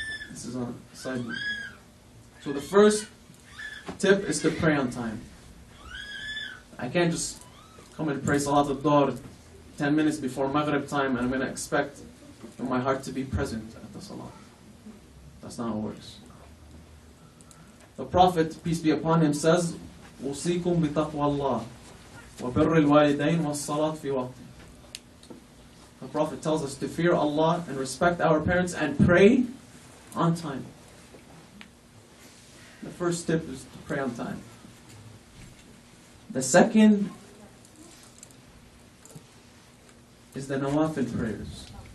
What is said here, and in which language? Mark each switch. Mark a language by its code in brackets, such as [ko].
[en] This is on a side note. So the first tip is to pray on time. I can't just come and pray Salat al-Dhuhr 10 minutes before Maghrib time and I'm going to expect my heart to be present at the Salat. That's not how it works. The Prophet, peace be upon him, says, [ar] وَصِيكُمْ بِتَقْوَى اللَّهِ وَبِرِّ الْوَالِدَيْنِ وَالصَّلَاةِ فِي وَقْتِهِ. [en] The Prophet tells us to fear Allah and respect our parents and pray on time. The first tip is to pray on time. The second is the nawafil prayers.